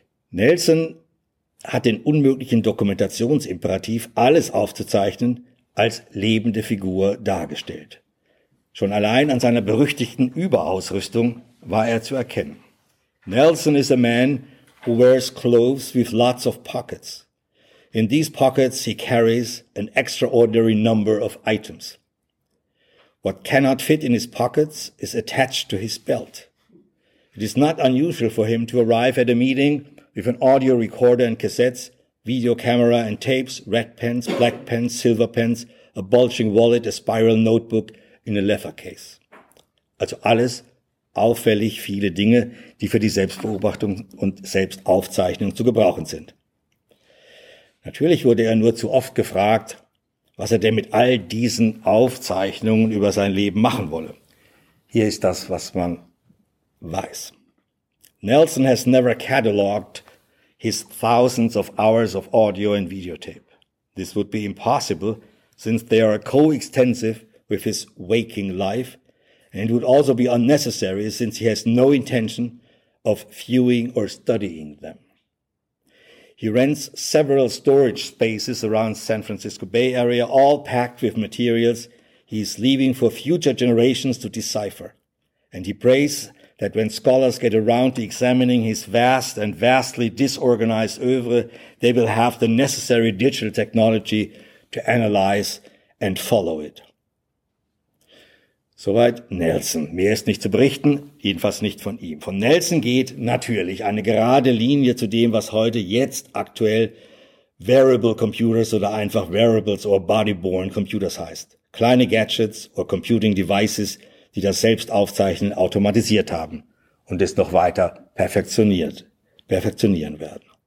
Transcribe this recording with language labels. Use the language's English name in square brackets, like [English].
[German] Nelson hat den unmöglichen Dokumentationsimperativ, alles aufzuzeichnen, als lebende Figur dargestellt. Schon allein an seiner berüchtigten Überausrüstung war er zu erkennen. [English] Nelson is a man who wears clothes with lots of pockets. In these pockets he carries an extraordinary number of items. What cannot fit in his pockets is attached to his belt. It is not unusual for him to arrive at a meeting with an audio recorder and cassettes, video camera and tapes, red pens, black pens, silver pens, a bulging wallet, a spiral notebook in a leather case. [German] Also alles auffällig viele Dinge, die für die Selbstbeobachtung und Selbstaufzeichnung zu gebrauchen sind. Natürlich wurde er nur zu oft gefragt, was er denn mit all diesen Aufzeichnungen über sein Leben machen wolle. Hier ist das, was man weiß. [English] Nelson has never cataloged his thousands of hours of audio and videotape. This would be impossible, since they are coextensive with his waking life, and it would also be unnecessary, since he has no intention of viewing or studying them. He rents several storage spaces around San Francisco Bay Area, all packed with materials he is leaving for future generations to decipher. And he prays that when scholars get around to examining his vast and vastly disorganized oeuvre, they will have the necessary digital technology to analyze and follow it. [German] Soweit Nelson. Mehr ist nicht zu berichten, jedenfalls nicht von ihm. Von Nelson geht natürlich eine gerade Linie zu dem, was heute jetzt aktuell Wearable Computers oder einfach Wearables oder Bodyborne Computers heißt. Kleine Gadgets oder Computing Devices, die das Selbstaufzeichnen automatisiert haben und es noch weiter perfektionieren werden.